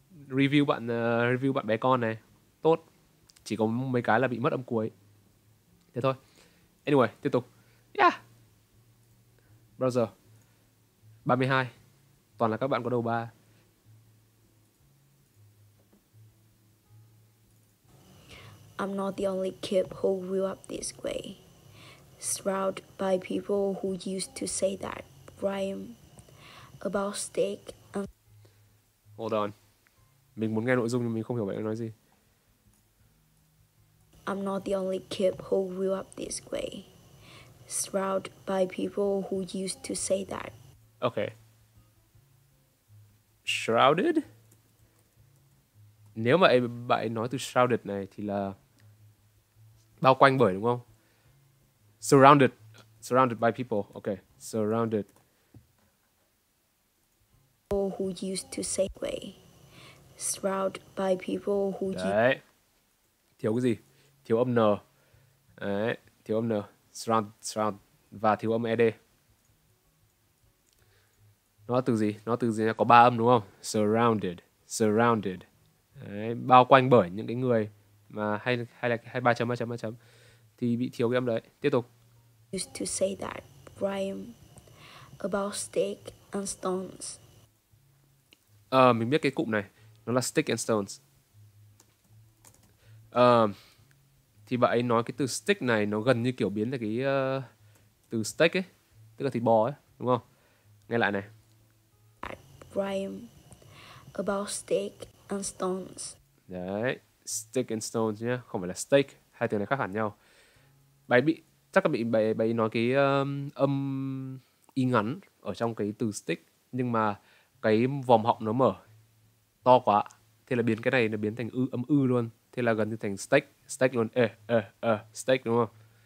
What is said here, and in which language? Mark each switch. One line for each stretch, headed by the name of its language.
Vietnamese: Review bạn bé con này tốt, chỉ có mấy cái là bị mất âm cuối, thế thôi. Anyway, tiếp tục. Yeah. Browser 32, toàn là các bạn có đầu 3.
English: I'm not the only kid who grew up this way, surrounded by people who used to say that rhyme about steak.
Vietnamese: Hold on, mình muốn nghe nội dung nhưng mình không hiểu bạn nói gì.
English: I'm not the only kid who grew up this way, surrounded by people who used to say that. Okay. Shrouded?
Vietnamese: Nếu mà bạn nói từ shrouded này thì là bao quanh bởi đúng không?
English: Surrounded by people. Okay, surrounded. People who used to say way. Surrounded by people who.
Vietnamese: Đấy. Thiếu cái gì? Thiếu âm n. Đấy. Thiếu âm n. Surround và thiếu âm ed. Nó từ gì? Nó từ gì? Có ba âm đúng không? Surrounded. Đấy. Bao quanh bởi những cái người mà hay ba chấm ba chấm ba chấm thì bị thiếu cái âm đấy. Tiếp tục.
English: Used to say that rhyme about stick and stones.
Vietnamese: Mình biết cái cụm này, nó là stick and stones. Thì bạn ấy nói cái từ stick này nó gần như kiểu biến là cái từ steak ấy, tức là thịt bò ấy, đúng không? Nghe lại này.
English: That rhyme about stick and stones.
Vietnamese: Đấy. Stick and stones nhé, không phải là steak, hai từ này khác hẳn nhau. Bài bị chắc là bị bài nói cái âm y ngắn ở trong cái từ stick, nhưng mà cái vòm họng nó mở to quá, thế là biến cái này nó biến thành ư, âm ư luôn, thế là gần như thành steak luôn, steak đúng không?